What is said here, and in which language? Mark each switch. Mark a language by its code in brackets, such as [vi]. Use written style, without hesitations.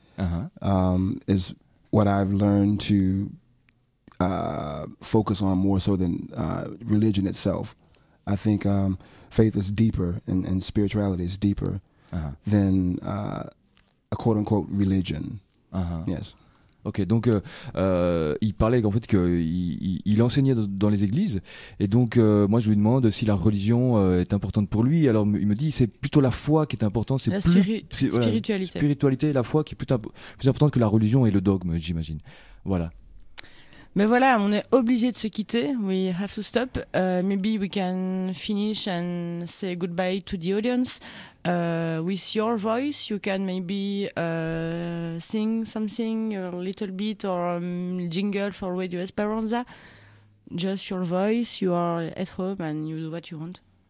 [en] Uh-huh. Is what I've learned to focus on more so than religion itself. I think faith is deeper, and spirituality is deeper than a quote unquote religion. Uh-huh. Yes. [fr] Ok, donc il parlait en fait qu'il enseignait dans les églises, et donc moi je lui demande si la religion est importante pour lui. Alors il me dit c'est plutôt la foi qui est importante, c'est la spiritualité. Spiritualité, la foi qui est plus importante que la religion et le dogme, j'imagine. Voilà. Mais voilà, on est obligé de se quitter. [en] We have to stop. Maybe we can finish and say goodbye to the audience. With your voice, you can maybe sing something a little bit or jingle for Radio Esperanza. Just your voice. You are at home and you do what you want.